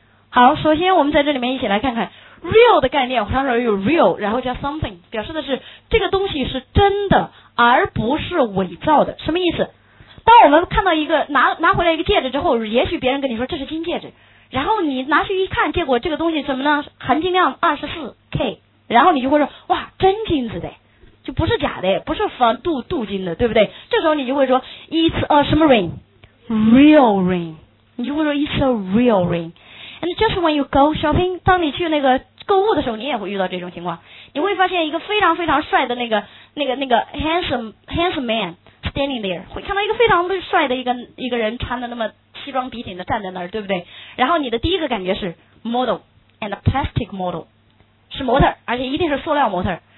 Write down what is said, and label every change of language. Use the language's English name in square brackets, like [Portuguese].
[Chinese] 好，首先我们在这里面一起来看看 real 的概念，常常有 real 然后叫 something, 表示的是这个东西是真的而不是伪造的。什么意思？当我们看到一个拿回来一个戒指之后，也许别人跟你说这是金戒指，然后你拿去一看，结果这个东西什么呢？含金量 24K, 然后你就会说哇，真金子的，就不是假的，不是仿镀金的，对不对？这时候你就会说 [English] It's a [Chinese] 什么 [English] ringreal ring, [Chinese] 你就会说 [English] it's a real ring. And just when you go shopping, [Chinese] 当你去那个购物的时候你也会遇到这种情况，你会发现一个非常非常帅的那个 [English] handsome man standing there， [Chinese] 会看到一个非常帅的一个人穿的那么西装笔挺的站在那儿，对不对？然后你的第一个感觉是 [English] model and plastic model， [Chinese] 是模特，而且一定是塑料模特。